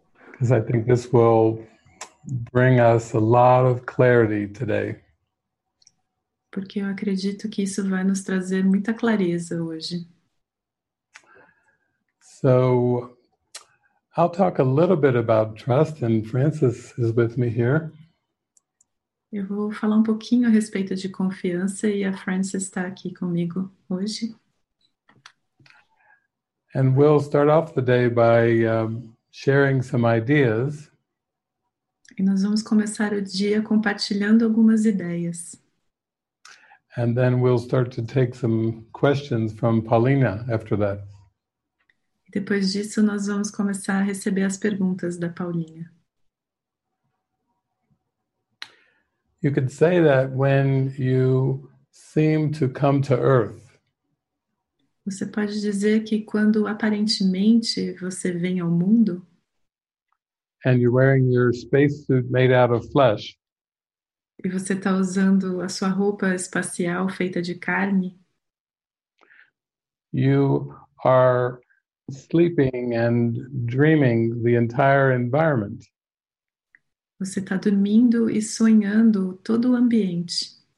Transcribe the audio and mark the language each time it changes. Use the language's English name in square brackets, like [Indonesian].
[English] Because I think this will bring us a lot of clarity today. [Portuguese] Porque eu acredito que isso vai nos trazer muita clareza hoje. [English] So, I'll talk a little bit about trust, and Francis is with me here. [Portuguese] Eu vou falar um pouquinho a respeito de confiança e a Francis está aqui comigo hoje. [English] And we'll start off the day by sharing some ideas. [Portuguese] E nós vamos começar o dia compartilhando algumas ideias. [English] And then we'll start to take some questions from Paulina after that. [Portuguese] Depois disso, nós vamos começar a receber as perguntas da Paulinha. [English] You could say that when you seem to come to earth. [Portuguese] Você pode dizer que quando aparentemente você vem ao mundo. [English] And you're wearing your spacesuit made out of flesh. [Portuguese] E você está usando a sua roupa espacial feita de carne. [English] You are sleeping and dreaming the entire environment. [Portuguese] Você está dormindo e sonhando todo o ambiente.